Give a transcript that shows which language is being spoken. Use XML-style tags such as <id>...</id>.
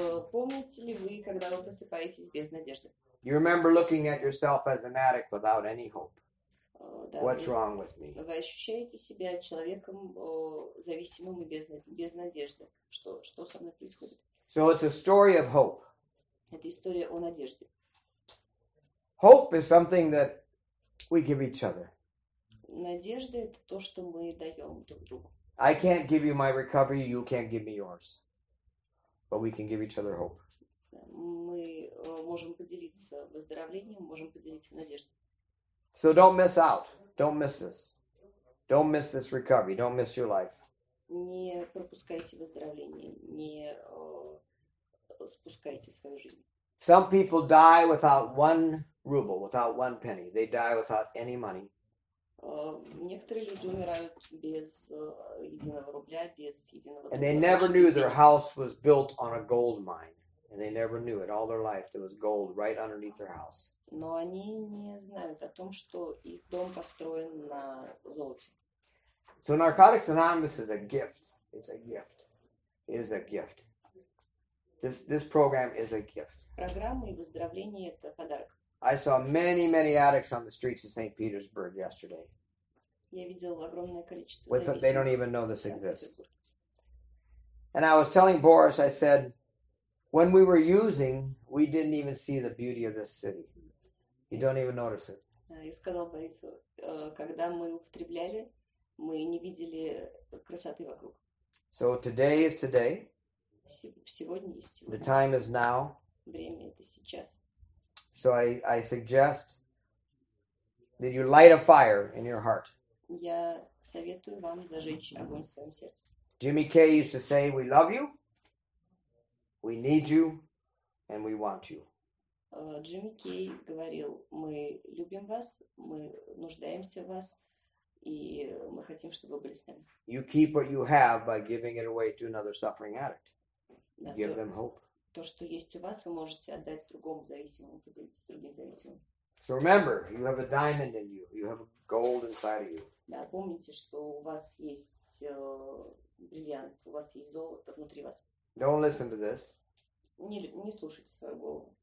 <ru>Помните ли вы, когда вы просыпаетесь без надежды?</ru> <en>You remember looking at yourself as an addict without any hope? What's wrong with me?</en> <ru>Вы ощущаете себя человеком зависимым и без надежды? Что со мной происходит?</ru> <en>So it's a story of hope.</en> <ru>Это история о надежде.</ru> <en>Hope is something that we give each other.</en> <ru>Надежда — это то, что мы даем друг другу.</ru> <en>I can't give you my recovery, you can't give me yours. But we can give each other hope.</en> <ru>Мы можем поделиться выздоровлением, можем поделиться надеждой.</ru> <en>So don't miss out. Don't miss this. Don't miss this recovery. Don't miss your life.</en> <ru>Не пропускайте выздоровление. Не спускайте свою жизнь.</ru> <en>Some people die without one ruble, without one penny. They die without any money.</en> <ru>Некоторые люди умирают без единого рубля, без единого доллара.</ru> <en>And they never knew their house was built on a gold mine. And they never knew it all their life. There was gold right underneath their house.</en> <ru>Но они не знают о том, что их дом построен на золоте.</ru> <en>So Narcotics Anonymous is a gift. It's a gift. It is a gift. This program is a gift.</en> <ru>Программа и выздоровление — это подарок.</ru> <en>I saw many, many addicts on the streets of St. Petersburg yesterday.</en> <ru>Я видел огромное количество зависимых.</ru> <en>They don't even know this exists. And I was telling Boris, I said, when we were using, we didn't even see the beauty of this city. You don't even notice it.</en> <ru>Я сказал Борису, когда мы употребляли, мы не видели красоты вокруг.</ru> <en>So today is today.</en> <ru>Сегодня есть сегодня.</ru> <en>The time is now.</en> <ru>Время — это сейчас.</ru> <en>So I suggest that you light a fire in your heart.</en> <ru>Я советую вам зажечь огонь в своем сердце.</ru> <en>Jimmy Kay used to say, we love you, we need you, and we want you.</en> <ru>Джимми Кей говорил, мы любим вас, мы нуждаемся в вас, и мы хотим, чтобы вы были с нами.</ru> <en>You keep what you have by giving it away to another suffering addict. Give them hope.</en> <ru>То, что есть у вас, вы можете отдать другому зависимому, поделиться с другим зависимым.</ru> <en>So remember, you have a diamond in you. You have gold inside of you.</en> <ru>Да, помните, что у вас есть бриллиант, у вас есть золото внутри вас.</ru> <en>Don't listen to this.</en> <ru>Не слушайте свою голову.</ru>